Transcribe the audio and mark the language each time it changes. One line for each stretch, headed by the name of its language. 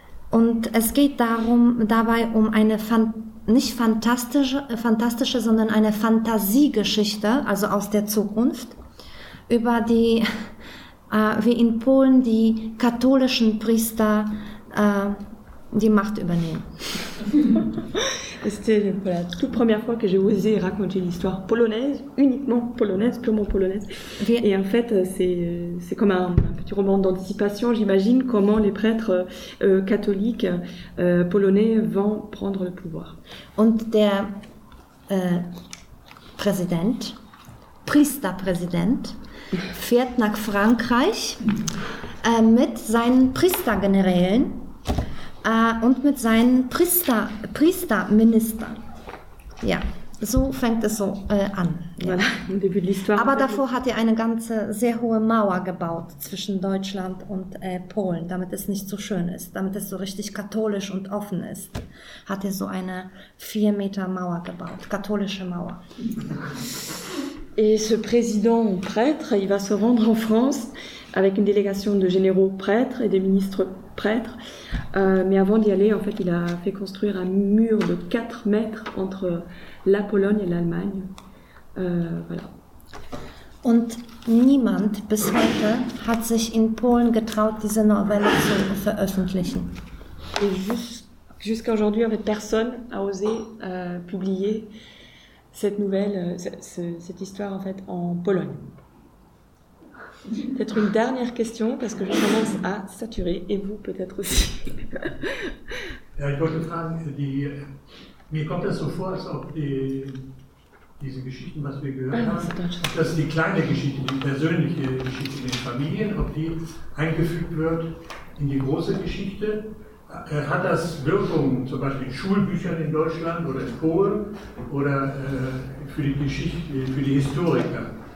German: Und es geht dabei um eine fantastische, sondern eine Fantasiegeschichte, also aus der Zukunft, über die, wie in Polen die katholischen Priester die Macht übernehmen.
French: C'était la toute première fois que j'ai osé raconter une histoire polonaise, uniquement polonaise, purement polonaise. Et en fait, c'est comme un petit roman d'anticipation, j'imagine, comment les prêtres catholiques polonais vont prendre le pouvoir.
German: Und der Präsident, Priesterpräsident, fährt nach Frankreich mit seinen Priestergenerälen. Und mit seinen Priesterministern. Ja, so fängt es so an. Ja. Voilà, au début de l'histoire. Aber davor hat er eine ganze, sehr hohe Mauer gebaut zwischen Deutschland und Polen, damit es nicht so schön ist, damit es so richtig katholisch und offen ist. Hat er so eine 4 Meter Mauer gebaut, katholische Mauer.
French: Et ce président ou prêtre, il va se rendre en France avec une délégation de généraux prêtres et des ministres prêtres. Mais avant d'y aller, en fait, il a fait construire un mur de 4 mètres entre la Pologne et l'Allemagne. Voilà.
German: Und niemand bis heute hat sich in Polen getraut, diese Novelle zu veröffentlichen.
French: Et jusqu'à aujourd'hui, en fait, personne n'a osé publier cette nouvelle, cette histoire, en fait, en Pologne. Peut-être une dernière question, parce que je commence à saturer, et vous peut-être aussi.
German: Ja, ich wollte fragen, mir kommt das so vor, als ob diese Geschichten, was wir gehört haben, dass die kleine Geschichte, die persönliche Geschichte in den Familien, ob die eingefügt wird in die große Geschichte. Hat das Wirkung, zum Beispiel in Schulbüchern in Deutschland oder in Polen, oder für die Geschichte, für die Historiker?